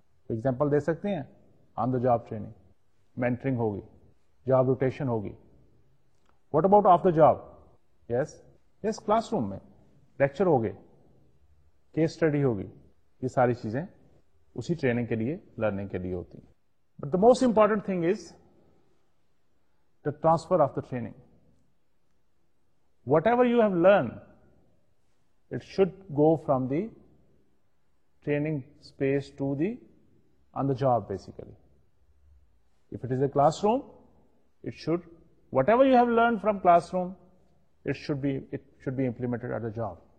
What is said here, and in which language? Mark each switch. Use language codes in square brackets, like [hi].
[ur] Example دے سکتے ہیں, آن the job training, mentoring ہوگی, جاب روٹیشن ہوگی. [en] What about of the job? Yes yes, [ur] class room میں lecture ہوگی, کیس اسٹڈی ہوگی. یہ ساری چیزیں اسی ٹریننگ کے لیے, لرننگ کے لیے ہوتی ہیں. [en] But the most important thing is the transfer of the training. whatever you have learned, it should go from the training space to the on the job basically. If it is a classroom, it should, whatever you have learned from classroom, it should be implemented at the job.